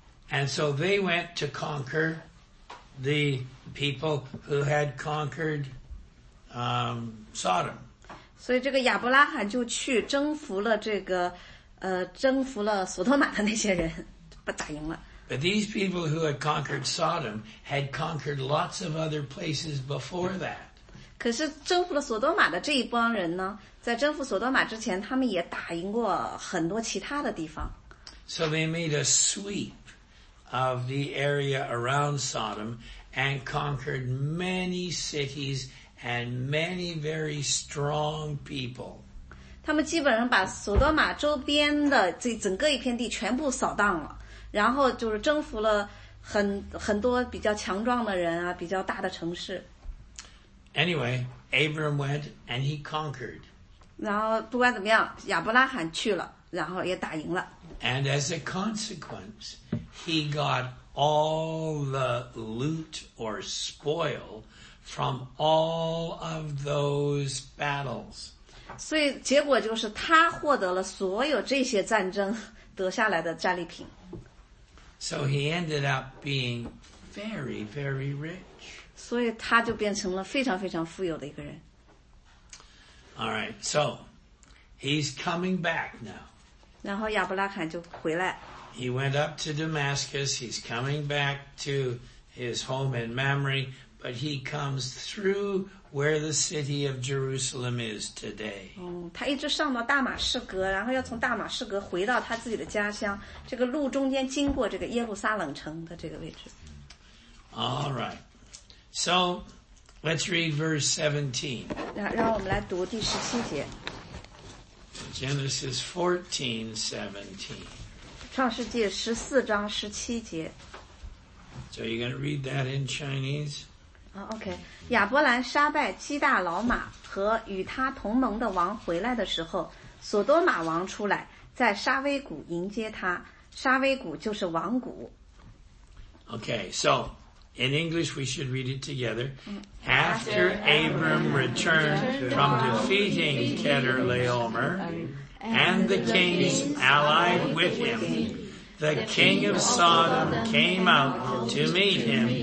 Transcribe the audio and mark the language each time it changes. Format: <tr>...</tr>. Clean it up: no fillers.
<en>And so they went to conquer the people who had conquered, Sodom.</en> <zh>所以这个亚伯拉罕就去征服了这个征服了索多玛的那些人不打赢了。</zh> <en>But these people who had conquered Sodom had conquered lots of other places before that.</en> <zh>可是征服了索多玛的这一帮人呢在征服索多玛之前他们也打赢过很多其他的地方。</zh> <en>So they made a sweep of the area around Sodom and conquered many cities and many very strong people.</en> <zh>他们基本上把索多玛周边的这整个一片地全部扫荡了，然后就是征服了很多比较强壮的人啊，比较大的城市。</zh> <en>Anyway, Abram went and he conquered.</en> <zh>然后不管怎么样，亚伯拉罕去了，然后也打赢了。</zh> <en>And as a consequence, he got all the loot or spoil from all of those battles.</en> <zh>所以结果就是他获得了所有这些战争得下来的战利品。</zh> <en>So he ended up being very, very rich.</en> <zh>所以他就变成了非常非常富有的一个人。</zh> <en>All right, so he's coming back now.</en> <zh>然后亚伯拉罕就回来。</zh> <en>He went up to Damascus, he's coming back to his home in Mamre, but he comes through where the city of Jerusalem is today.</en> <zh>他一直上到大马士革，然后要从大马士革回到他自己的家乡，这个路中间经过这个耶路撒冷城的这个位置。</zh> <en>All right. So, let's read verse 17.</en> <zh>让我们来读第十七节。</zh> <en>Genesis 14:17.</en> <zh>创世纪十四章十七节。</zh> <en>So you're going to read that in Chinese?</en> <zh>OK, 亚伯兰杀败基大老马和与他同盟的王回来的时候，索多玛王出来在沙威谷迎接他，沙威谷就是王谷。</zh> <en>OK, so in English we should read it together. After Abram returned from defeating Chedorlaomer and the kings allied with him, the king of Sodom came out to meet him.</en>